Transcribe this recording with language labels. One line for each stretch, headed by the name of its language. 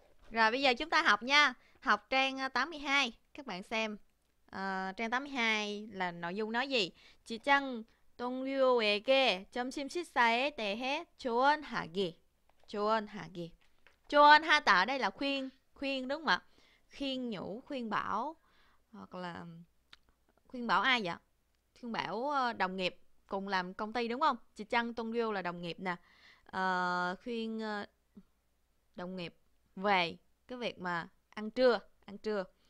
Vietnamese: Rồi, bây giờ chúng ta học nha. Học trang 82. Các bạn xem trang 82 là nội dung nói gì.
Korean: 직장 동료에게 점심 식사에 대해 조언하기. 조언하기.
Vietnamese: 조언하다 đây là khuyên, khuyên đúng không ạ? Khuyên nhủ, khuyên bảo, hoặc là khuyên bảo ai vậy? Khuyên bảo đồng nghiệp cùng làm công ty đúng không? 직장 동료 là đồng nghiệp nè. Khuyên đồng nghiệp về cái việc mà ăn trưa, ăn trưa.